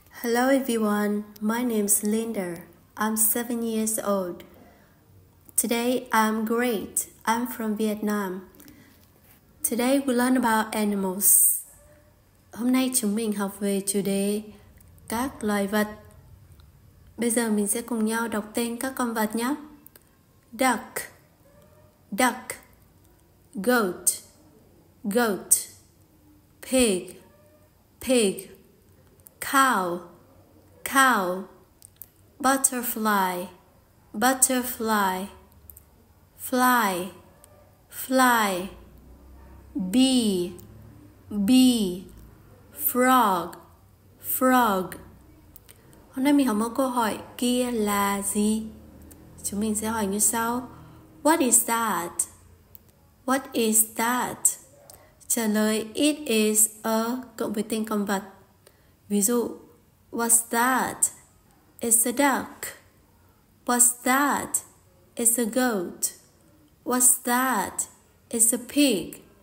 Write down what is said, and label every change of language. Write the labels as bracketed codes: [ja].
[en] Hello everyone, my name is Linda. I'm 7 years old. Today I'm great. I'm from Vietnam. Today we learn about animals. [vi] Hôm nay chúng mình học về chủ đề các loài vật. Bây giờ mình sẽ cùng nhau đọc tên các con vật nhé. [en] Duck, duck, goat, goat, pig, pig, cow, cow, butterfly, butterfly, fly, fly, bee, bee, frog, frog. [vi] Hôm nay mình học một câu hỏi kia là gì? Chúng mình sẽ hỏi như sau. [en] What is that? What is that? [vi] Trả lời [en] it is a [vi] cộng với tên con vật. Ví dụ, [en] what's that? It's a duck. What's that? It's a goat. What's that? It's a pig.